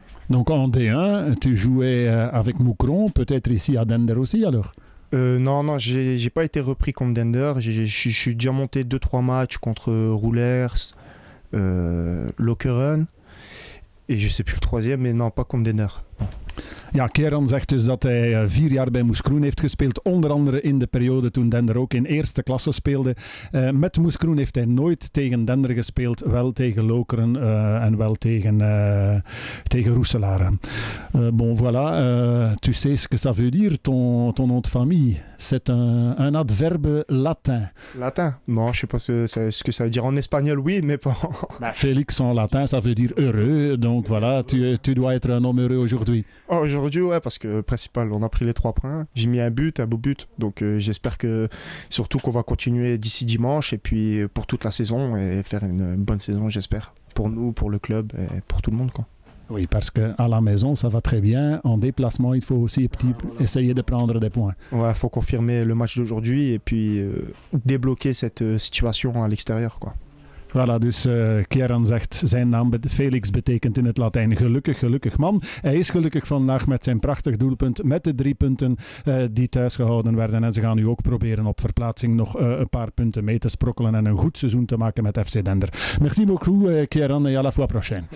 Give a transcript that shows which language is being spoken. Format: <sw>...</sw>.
<fr>Donc en D1, tu jouais avec Moucron, peut-être ici à Dender aussi alors? Non, j'ai pas été repris contre Dender. Je suis déjà monté 2-3 matchs contre Roulers, Lokeren, et je sais plus le troisième, mais non, pas contre Dender.</fr> <nl>Ja, Kieran zegt dus dat hij 4 jaar bij Moeskroen heeft gespeeld, onder andere in de periode toen Dender ook in eerste klasse speelde. Met Moeskroen heeft hij nooit tegen Dender gespeeld, wel tegen Lokeren en wel tegen Roeselare.</nl> <fr>Bon, voilà, tu sais ce que ça veut dire, ton nom de famille. C'est un adverbe latin. Latin? Non, je ne sais pas ce que ça veut dire en espagnol, oui, mais pas... Félix, en latin, ça veut dire heureux, donc voilà, tu dois être un homme heureux aujourd'hui. Aujourd'hui, ouais, parce que principal, on a pris les 3 points. J'ai mis un beau but. Donc, j'espère que, surtout, qu'on va continuer d'ici dimanche et puis pour toute la saison et faire une bonne saison, j'espère, pour nous, pour le club et pour tout le monde, quoi. Oui, parce qu'à la maison, ça va très bien. En déplacement, il faut aussi essayer de prendre des points. Ouais, faut confirmer le match d'aujourd'hui et puis débloquer cette situation à l'extérieur, quoi.</fr> <nl>Voilà, dus Kieran zegt, zijn naam Felix betekent in het Latijn gelukkig, gelukkig man. Hij is gelukkig vandaag met zijn prachtig doelpunt, met de 3 punten die thuisgehouden werden. En ze gaan nu ook proberen op verplaatsing nog een paar punten mee te sprokkelen en een goed seizoen te maken met FC Dender. Merci beaucoup, Kieran, et à la fois prochaine.</nl>